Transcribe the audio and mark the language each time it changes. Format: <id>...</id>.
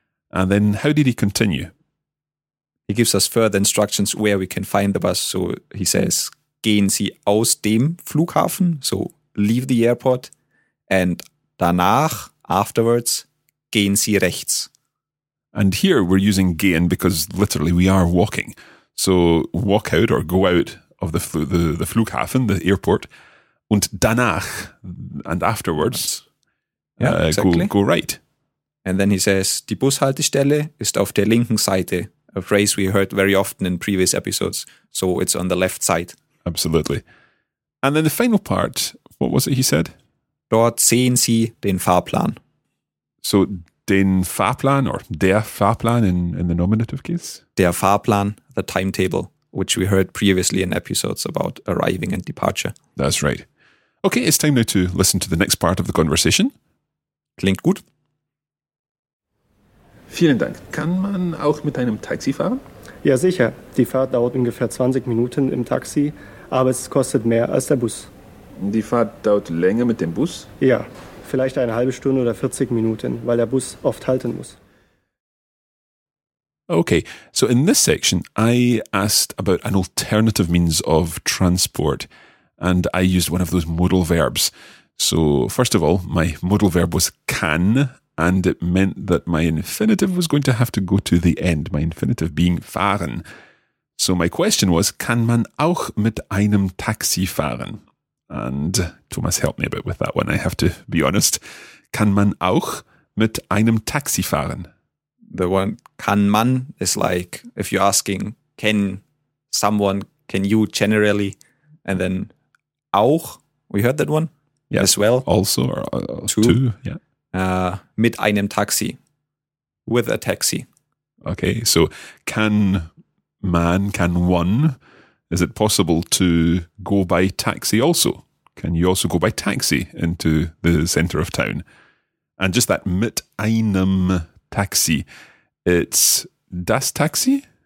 <en>And then how did he continue? He gives us further instructions where we can find the bus. So he says,</en> <de>gehen Sie aus dem Flughafen,</de> <en>so leave the airport, and danach, afterwards,</en> <de>gehen Sie rechts.</de> <en>And here we're using gehen because literally we are walking. So walk out or go out of the Flughafen, the airport,</en> <de>und danach,</de> <en>and afterwards, yeah, exactly. go right. And then he says,</en> <de>die Bushaltestelle ist auf der linken Seite,</de> <en>a phrase we heard very often in previous episodes. So it's on the left side. Absolutely. And then the final part, what was it he said?</en> <de>Dort sehen Sie den Fahrplan.</de> <en>So den Fahrplan or der Fahrplan in the nominative case? Der Fahrplan, the timetable, which we heard previously in episodes about arriving and departure. That's right. Okay, it's time now to listen to the next part of the conversation.</en> <de>Klingt gut. Vielen Dank. Kann man auch mit einem Taxi fahren? Ja, sicher. Die Fahrt dauert ungefähr 20 Minuten im Taxi, aber es kostet mehr als der Bus. Die Fahrt dauert länger mit dem Bus? Ja, vielleicht eine halbe Stunde oder 40 Minuten, weil der Bus oft halten muss.</de> <en>Okay, so in this section, I asked about an alternative means of transport, and I used one of those modal verbs. So, first of all, my modal verb was can, and it meant that my infinitive was going to have to go to the end, my infinitive being fahren. So my question was,</en> <de>kann man auch mit einem Taxi fahren?</de> <en>And Thomas helped me a bit with that one, I have to be honest.</en> <de>Kann man auch mit einem Taxi fahren?</de> <en>The one kann man is like, if you're asking, can someone, can you generally, and then auch, we heard that one, yeah, as well. Also, or two, yeah.</en> <de>Mit einem Taxi,</de> <en>with a taxi. Okay, so can man, can one, is it possible to go by taxi also? Can you also go by taxi into the center of town? And just that,</en> <de>mit einem taxi,</de> <en>it's</en> <de>das Taxi?</de>